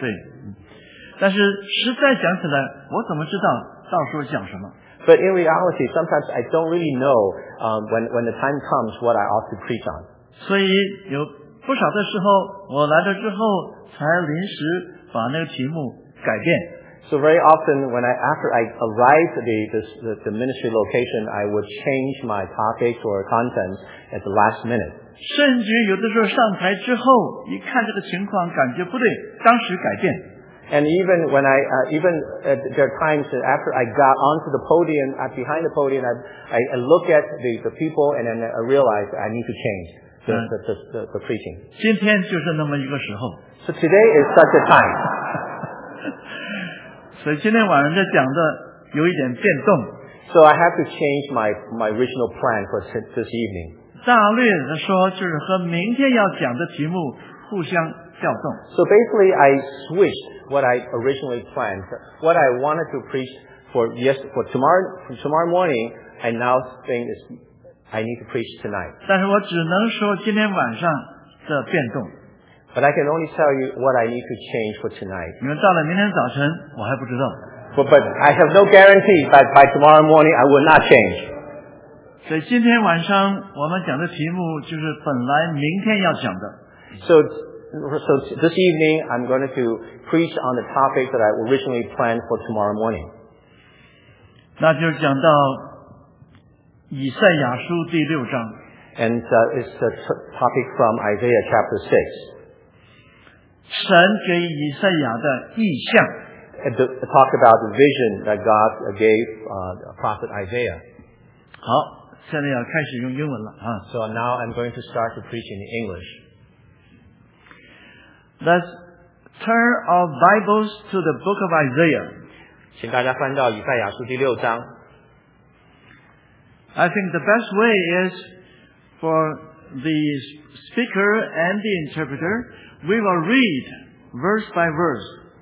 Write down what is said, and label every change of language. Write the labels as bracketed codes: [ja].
[zh] 对，但是实在讲起来，我怎么知道到时候讲什么？ [en] But in reality, sometimes I don't really know when the time comes what I ought to preach on. [zh] 所以有不少的时候，我来了之后才临时把那个题目改变。 [en] So very often when after I arrived at the ministry location, I would change my topics or content at the last minute. [zh] 甚至有的时候上台之后，一看这个情况感觉不对，当时改变。 [en] And even when I, even at their times after I got onto the podium, behind the podium, I look at the people and then I realize I need to change the preaching. [zh] 今天就是那么一个时候。 [en] So today is such a time. [zh] 所以今天晚上就讲的有一点变动。 [en] So I have to change my original plan for this evening. [zh] 大略的说就是和明天要讲的题目互相调动。 [en] So basically I switched what I originally planned, what I wanted to preach for tomorrow morning, and now think is I need to preach tonight. [zh] 但是我只能说今天晚上的变动。 [en] But I can only tell you what I need to change for tonight. [zh] 因为到了明天早晨，我还不知道。 [en] But I have no guarantee that by tomorrow morning I will not change. [zh] 所以今天晚上我们讲的题目就是本来明天要讲的。 [en] So this evening I'm going to preach on the topic that I originally planned for tomorrow morning. [zh] 那就是讲到以赛亚书第六章。 [en] And it's the topic from Isaiah chapter 6. [zh] 神给以赛亚的异象。 [en] Talk about the vision that God gave prophet Isaiah. [zh] 好，现在要开始用英文了啊。 [en] So now I'm going to start to preach in English. Let's turn our Bibles to the book of Isaiah. [zh] 请大家翻到以赛亚书第六章。 [en] I think the best way is for the speaker and the interpreter, we will read verse by verse.